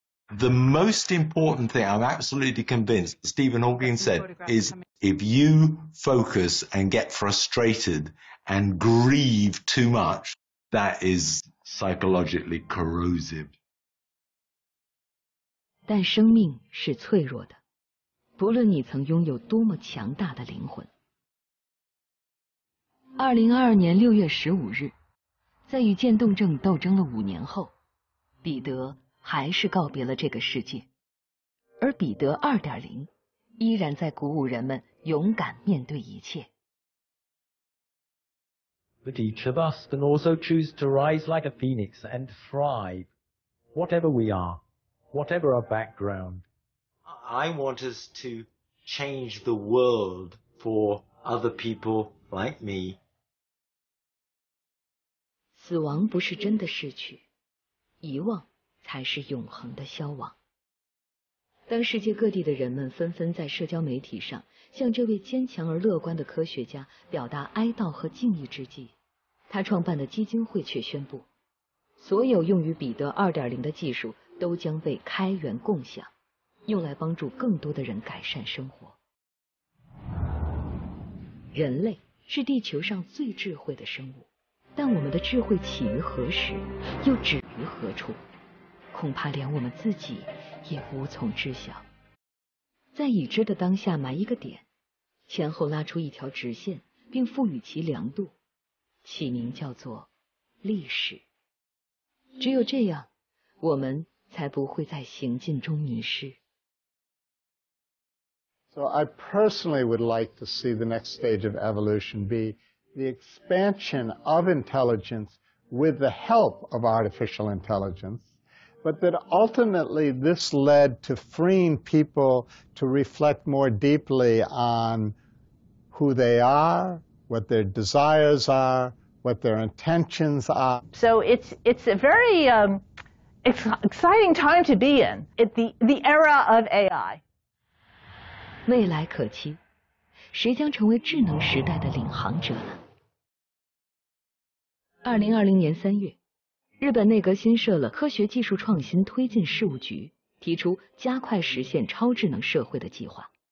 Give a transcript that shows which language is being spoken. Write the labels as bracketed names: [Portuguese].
[English] The most important thing, I'm absolutely convinced, Stephen Hawking said, is if you focus and get frustrated and grieve too much, that is psychologically corrosive. [Chinese] 但生命是脆弱的。不论你曾拥有多么强大的灵魂。 2022年6月15日，在与渐冻症斗争了5年后，彼得还是告别了这个世界，而彼得2.0依然在鼓舞人们勇敢面对一切。 [English] But each of us can also choose to rise like a phoenix and thrive, whatever we are, whatever our background. I want us to change the world for other people like me. [Chinese] 死亡不是真的逝去，遗忘才是永恒的消亡。当世界各地的人们纷纷在社交媒体上向这位坚强而乐观的科学家表达哀悼和敬意之际，他创办的基金会却宣布，所有用于彼得 2.0 的技术都将被开源共享，用来帮助更多的人改善生活。人类是地球上最智慧的生物，但我们的智慧起于何时，又止于何处，恐怕连我们自己也无从知晓。在已知的当下埋一个点，前后拉出一条直线，并赋予其量度，起名叫做历史。只有这样，我们才不会在行进中迷失。 [English] So I personally would like to see the next stage of evolution be the expansion of intelligence with the help of artificial intelligence, but that ultimately this led to freeing people to reflect more deeply on who they are, what their desires are, what their intentions are. So it's a very exciting time to be in, the era of AI. [Chinese] 未来可期，谁将成为智能时代的领航者呢？ 2020年3月，日本内阁新设了科学技术创新推进事务局，提出加快实现超智能社会的计划。